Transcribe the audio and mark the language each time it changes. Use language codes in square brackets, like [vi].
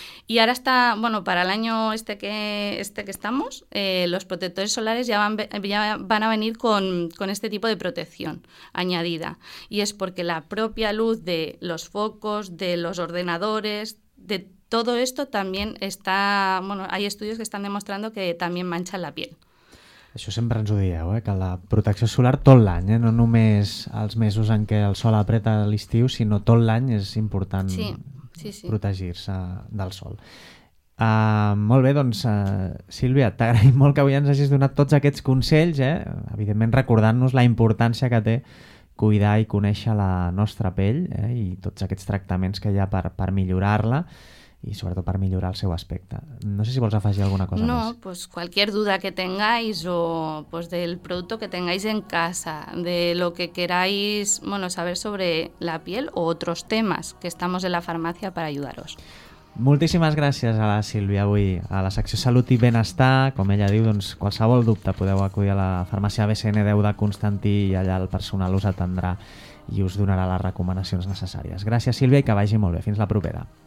[es] Y ahora está, bueno, para el año este que estamos, los protectores solares ya van a venir con este tipo de protección añadida. Y es porque la propia luz de los focos, de los ordenadores, de todo esto también está, bueno, hay estudios que están demostrando que también manchan la piel. [ca] Això sempre ens ho dieu, que la protecció solar tot l'any, no només els mesos en què el sol apreta l'estiu, sinó tot l'any és important protegir-se del sol. Molt bé, doncs, Sílvia, t'agraïm molt que avui ens hagis donat tots aquests consells, evidentment recordant-nos la importància que té cuidar i conèixer la nostra pell i tots aquests tractaments que hi ha per millorar-la. [es] Y sobre todo para mejorar su aspecto. [ca] No sé si vos afegir alguna cosa. [es] No, más. Pues cualquier duda que tengáis o pues del producto que tengáis en casa, de lo que queráis, bueno, saber sobre la piel o otros temas, que estamos en la farmacia para ayudaros. [ca] Moltíssimes gràcies a la Sílvia avui a la secció Salut i Benestar. Com ella diu, doncs, qualsevol dubte podeu acudir a la farmàcia BCN 10 de Constantí i allà el personal us atendrà i us donarà les recomanacions necessàries. Gràcies, Sílvia, i que vagi molt bé. Fins la propera.